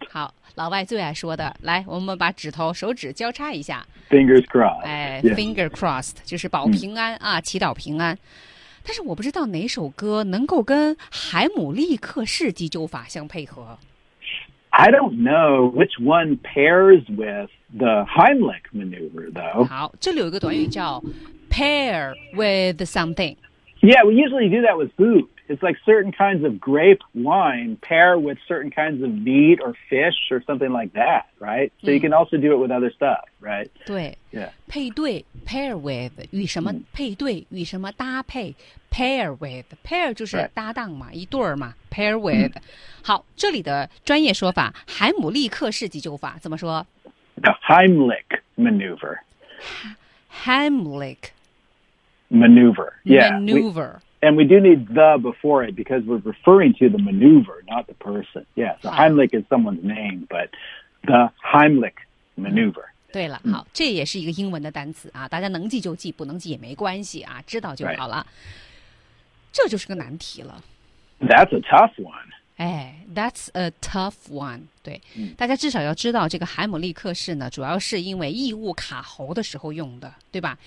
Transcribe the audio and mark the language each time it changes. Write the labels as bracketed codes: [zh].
[zh] 好老外最爱说的来我们把指头手指交叉一下。 [en] Fingers crossed. 哎、 yeah. , finger crossed, [zh] 就是保平安啊、祈祷平安。但是我不知道哪首歌能够跟海姆立克式急救法相配合。 [en] I don't know which one pairs with the Heimlich maneuver, though. [zh] 好，这里有一个短语叫 [en] pair with something. Yeah, we usually do that with food, It's like certain kinds of grape wine pair with certain kinds of meat or fish or something like that, right? So you can also do it with other stuff, right? [zh] 对、 yeah. 配对 [en] pair with [zh] 与什么、配对与什么搭配 pair with pair 就是搭档嘛、 [en] right. [zh] 一对嘛 [en] pair with、 [zh] 好，这里的专业说法海姆立克式急救法怎么说 [en] The Heimlich maneuver Heimlich maneuver yeah, maneuver And we do need the before it because we're referring to the maneuver, not the person. Yeah, so Heimlich is someone's name, but the Heimlich maneuver. [zh] 对了，好，这也是一个英文的单词啊，大家能记就记，不能记也没关系啊，知道就好了。这就是个难题了。 [en] That's a tough one. 哎，That's a tough one. [zh] 对，大家至少要知道这个海姆立克式呢，主要是因为异物卡喉的时候用的，对吧？